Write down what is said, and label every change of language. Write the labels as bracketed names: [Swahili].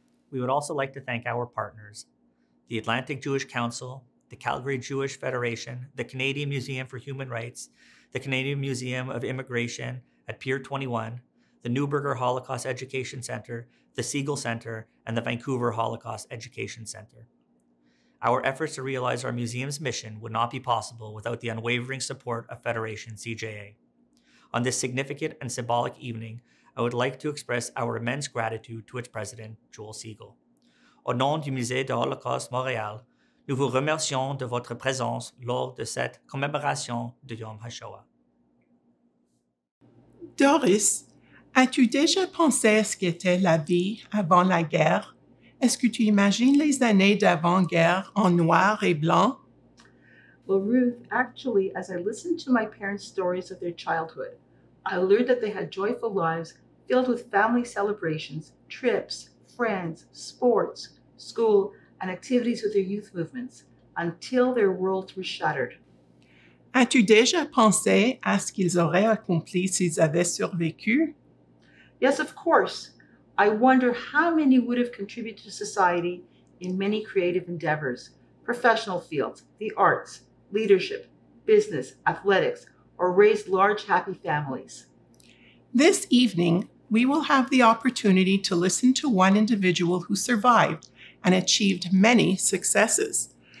[English] We would also like to thank our partners, the Atlantic Jewish Council, the Calgary Jewish Federation, the Canadian Museum for Human Rights, the Canadian Museum of Immigration at Pier 21, the Neuberger Holocaust Education Center, the Siegel Center, and the Vancouver Holocaust Education Center. Our efforts to realize our museum's mission would not be possible without the unwavering support of Federation CJA. On this significant and symbolic evening, I would like to express our immense gratitude to its president, Joel Siegel. [French] Au nom du Musée de Holocaust Montréal, nous vous remercions de votre présence lors de cette commémoration de Yom HaShoah. Doris, as-tu déjà pensé à ce qu'était la vie avant la guerre? Est-ce que tu imagines les années d'avant-guerre en noir et blanc? [English] Well, Ruth, actually, as I listened to my parents' stories of their childhood, I learned that they had joyful lives filled with family celebrations, trips, friends, sports, school, and activities with their youth movements, until their worlds were shattered. [French] As-tu déjà pensé à ce qu'ils auraient accompli s'ils avaient survécu? [English] Yes, of course. I wonder how many would have contributed to society in many creative endeavors, professional fields, the arts, leadership, business, athletics, or raised large happy families. This evening, we will have the opportunity to listen to one individual who survived and achieved many successes.